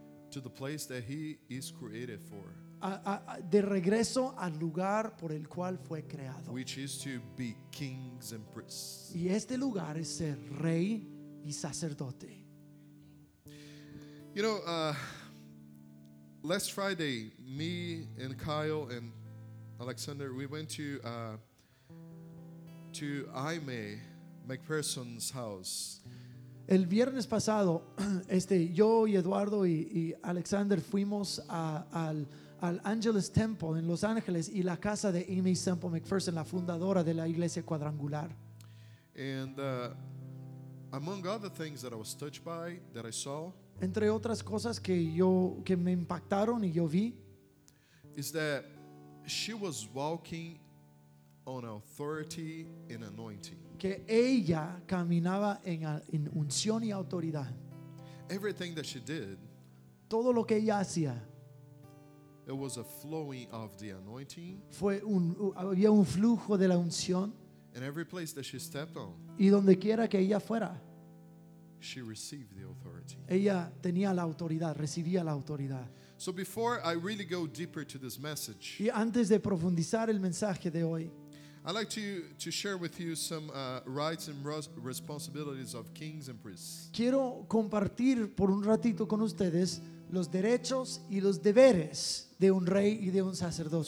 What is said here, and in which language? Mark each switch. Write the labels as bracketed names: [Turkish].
[English] to the place that he is created for. [Spanish] De regreso al lugar por el cual fue creado. [English] Which is to be kings and priests. [Spanish] Y este lugar es ser rey y sacerdote. [English] You know, last Friday, me and Kyle and Alexander, we went to Aime McPherson's house. [Spanish] El viernes pasado, yo y Eduardo y Alexander fuimos al Angeles Temple en Los Ángeles y la casa de Aime Semple McPherson, la fundadora de la iglesia cuadrangular. [English] And among other things that I was touched by, that I saw, [Spanish] entre otras cosas que me impactaron y yo vi, [English] is that she was walking on authority and anointing. [Spanish] Que ella caminaba en unción y autoridad. [English] Everything that she did, [Spanish] todo lo que ella hacía, [English] it was a flowing of the anointing. [Spanish] Fue había un flujo de la unción. [English] And every place that she stepped on, [Spanish] y donde quiera que ella fuera, [English] she received the authority. [Spanish] Ella tenía la autoridad, recibía la autoridad. [English] So before I really go deeper to this message, [Spanish] y antes de profundizar el mensaje de hoy, [English] I'd like to share with you some rights and responsibilities of kings and priests. [Spanish] Quiero compartir por un ratito con ustedes los derechos y los deberes de un rey y de un sacerdote.